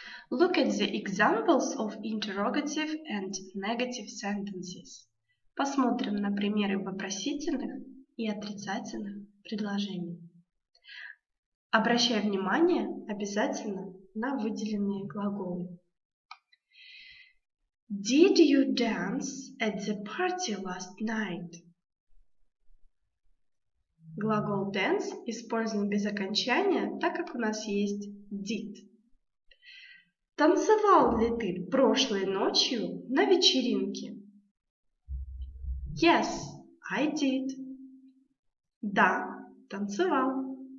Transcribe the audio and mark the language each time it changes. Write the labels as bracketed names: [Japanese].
[English] Look at the examples of interrogative and negative sentences. [Russian] Посмотрим на примеры вопросительных и отрицательных предложений. Обращай внимание обязательно на выделенные глаголы. [English] Did you dance at the party last night? [Russian] Глагол dance использован без окончания, так как у нас есть did. Танцевал ли ты прошлой ночью на вечеринке? [English] Yes, I did. [Russian] Да, танцевал.